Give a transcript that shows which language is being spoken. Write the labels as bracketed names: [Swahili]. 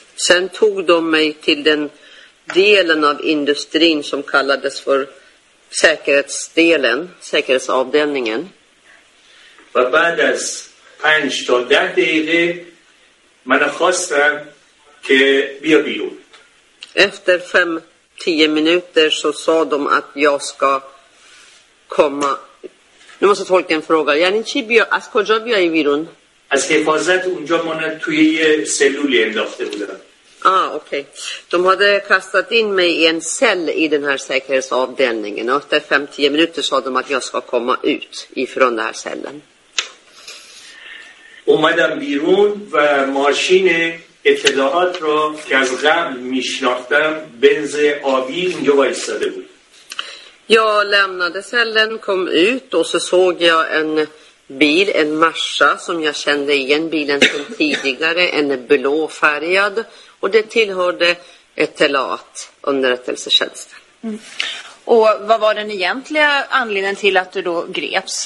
[Swedish] Sen tog de mig till den delen av industrin som kallades för säkerhetsdelen, säkerhetsavdelningen. [Persian] و بعد از 5 تا 10 دقیقه من خواستم که بیا بیرون. [Swedish] Efter 5-10 minuter så sa de att jag ska komma. Nu måste tolken fråga. [Persian] Yani chi bio as koja biai birun? از حفاظت اونجا من توی یه سلولی انداخته بودم. Ah, okay. [Swedish] De hade kastat in mig i en cell i den här säkerhetsavdelningen. Efter 5-10 minuter sa de att jag ska komma ut ifrån den här cellen. [Persian] اومدم بیرون و ماشین اطلاعات رو که از قبل میشناختم بنز آبی اونجا وایستاده بود. [Swedish] Jag lämnade cellen, kom ut och så såg jag en bil, en Marsa som jag kände igen bilen som tidigare, en blå färgad och det tillhörde اطلاعات underrättelsetjänsten. Och vad var den egentliga anledningen till att du då greps?